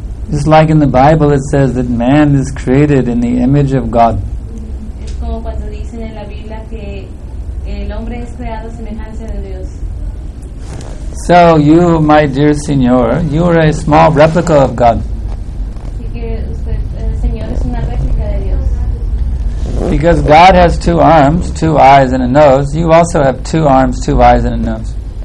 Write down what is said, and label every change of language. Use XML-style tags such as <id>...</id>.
<en>It's like in the Bible it says that man is created in the image of God.</en> <es>Es como cuando dicen en la Biblia que el hombre es creado a semejanza de Dios.</es> <en>So you, my dear señor, you are a small replica of God.</en> <es>Así que usted, el señor, es una réplica de Dios.</es> <en>Because God has two arms, two eyes and a nose, you also have two arms, two eyes and a nose.</en>